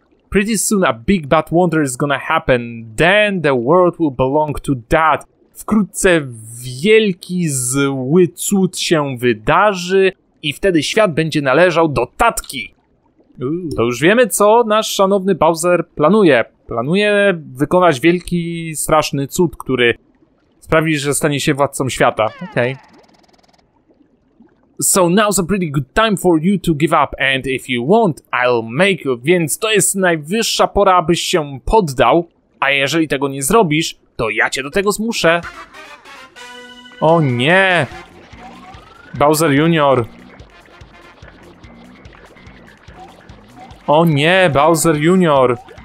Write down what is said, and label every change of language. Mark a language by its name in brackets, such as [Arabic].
[English] pretty soon a big bad wonder is gonna happen. Then the world will belong to that. [Polish] Wkrótce wielki, zły cud się wydarzy i wtedy świat będzie należał do tatki. To już wiemy, co nasz szanowny Bowser planuje. Planuje wykonać wielki, straszny cud, który sprawi, że stanie się władcą świata. Okej. [English] So now's a pretty good time for you to give up, and if you won't, I'll make you. [Polish] Więc to jest najwyższa pora, abyś się poddał, a jeżeli tego nie zrobisz, to ja cię do tego zmuszę. O nie! Bowser Junior. O nie, Bowser Junior.